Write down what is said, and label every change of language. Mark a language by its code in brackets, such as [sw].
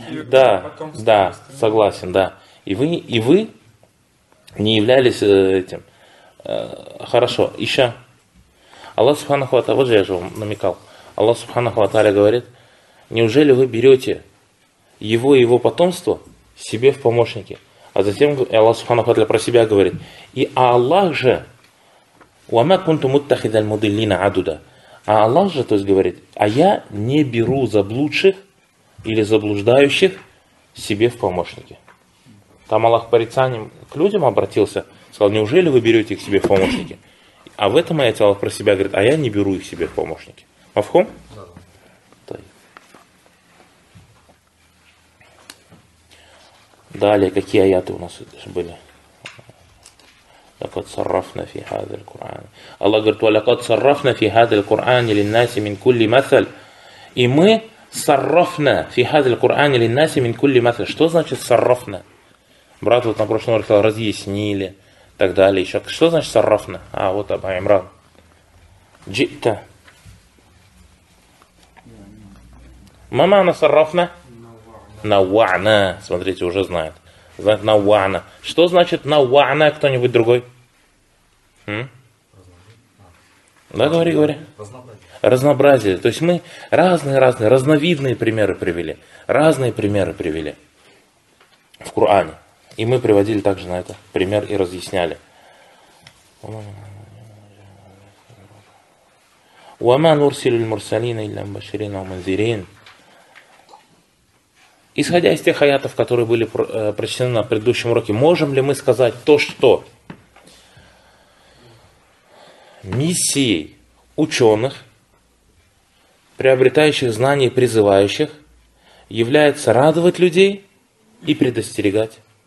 [ru] Да, да, согласен, да. И вы не являлись этим. Хорошо, еще. Аллах Субханаху ва Тааля, вот же я же вам намекал. Аллах Субханаху ва Тааля говорит, неужели вы берете его и его потомство себе в помощники? А затем Аллах Субханаху ва Тааля про себя говорит. И Аллах же [ar] وَمَا كُنْتُ مُتَّخِذَ الْمُضِلِّينَ عَدُدًا. [ru] А Аллах же то есть говорит, а я не беру заблудших или заблуждающих себе в помощники. Там Аллах порицанием к людям обратился, сказал, неужели вы берете их себе в помощники? А в этом аяте Аллах про себя говорит, а я не беру их себе в помощники. Мафхум? Да. Далее, какие аяты у нас были? [ar] لقد صرفنا في هذا القرآن. [ru] Аллах говорит, [ar] ولقد صرفنا في هذا القرآن للناس من كل مثل. [ru] И мы [ar] صرفنا في هذا القرآن للناس من كل مثل. [ru] Что значит صرفنا? Брат вот на прошлом уроке разъяснили, так далее. Еще. Что значит صرفنا? А вот Абу Имран. [ar] جئت. ما معنى صرفنا? نوعنا. [ru] Смотрите, уже знает. Знает نوعنا. Что значит نوعنا? Кто-нибудь другой? Да, говори. Разнообразие. То есть мы разные, разновидные примеры привели. Разные примеры привели в Коране. И мы приводили также на это пример и разъясняли. [ar] وما نرسل المرسلين إلا مبشرين ومنذرين. [ru] Исходя из тех аятов, которые были прочитаны на предыдущем уроке, можем ли мы сказать то, что миссией ученых, приобретающих знания и призывающих, является радовать людей и предостерегать?